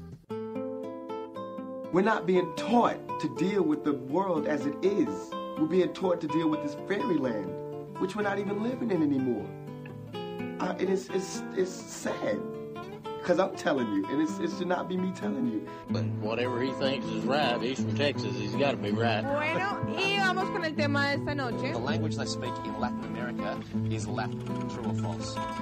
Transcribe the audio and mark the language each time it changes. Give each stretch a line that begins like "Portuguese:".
English: We're not being taught to deal with the world as it is. We're being taught to deal with this fairyland, which we're not even living in anymore. It's sad, because I'm telling you, and it should not be me telling you. But whatever he thinks is right, he's from Texas, he's got to be right.
Spanish: Bueno, y vamos con el tema de esta noche.
English: The language they speak in Latin America is left, true or false.